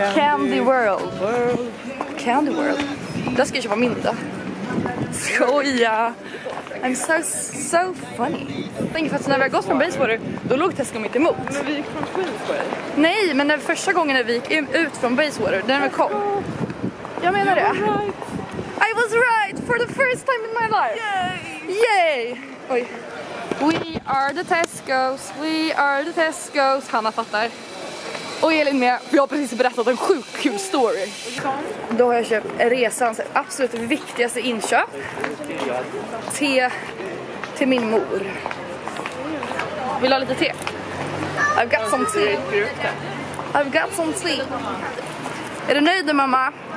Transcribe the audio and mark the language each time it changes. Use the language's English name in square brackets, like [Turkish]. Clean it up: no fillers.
[English] Candy world. Candy world. [Swedish] Det ska ju vara min då. Skoja. [English] I'm so funny. [Swedish] Tänk för att när vi har gått från Bayswater, då låg Tesco mitt emot. Men vi gick från Queensway. Nej, men den första gången när vi gick ut från Bayswater, när vi kom. Jag menar det. [English] I was right for the first time in my life. Yay! Oj. We are the Tescos, we are the Tescos. [Swedish] Hanna fattar. Och Elin med, för jag har precis berättat en sjuk kul story. Då har jag köpt resans absolut viktigaste inköp. Te till min mor. Vill du ha lite te? [English] I've got some tea. I've got some tea. [Swedish] Är du nöjd mamma?